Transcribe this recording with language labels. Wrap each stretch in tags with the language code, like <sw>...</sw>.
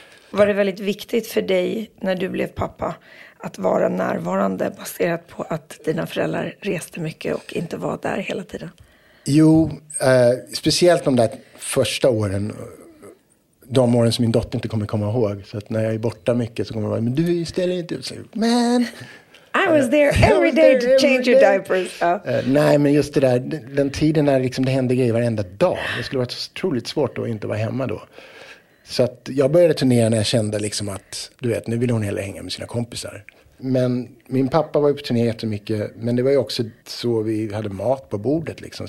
<sv>Var det väldigt viktigt för dig när du blev pappa att vara närvarande baserat på att dina föräldrar reste mycket och inte var där hela tiden? Jo, speciellt de där första åren, de åren som min dotter inte kommer komma ihåg. Så att när jag är borta mycket så kommer jag vara, men du ställer inte ut. Men...</sv> <en>I was there every day to change your diapers.</en> <sv>Nej, men just det där, den tiden när liksom det hände grejer varenda dag. Det skulle vara otroligt svårt att inte vara hemma då. Så att jag började turnera när jag kände liksom att, du vet, nu vill hon hellre hänga med sina kompisar. Men min pappa var ju på turné jättemycket, men det var ju också så vi hade mat på bordet liksom.</sv>